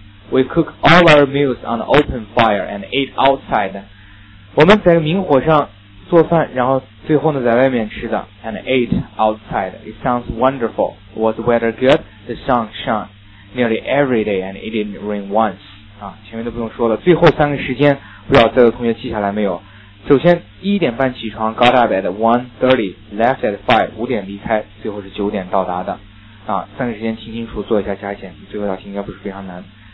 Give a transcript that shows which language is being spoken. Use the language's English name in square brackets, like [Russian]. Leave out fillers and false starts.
[English] We cook all our meals on the open fire and ate outside。 [Chinese] 我们在明火上做饭，然后最后呢在外面吃的。 [English] And ate outside， It sounds wonderful。 Was the weather good？ The sun shone nearly every day and it didn't rain once。 [Chinese] 啊，前面都不用说了，最后三个时间不知道在座同学记下来没有。首先一点半起床， [English] got up at 1:30， left at 5， [Chinese] 五点离开，最后是九点到达的。啊，三个时间听清楚，做一下加减，最后道题应该不是非常难。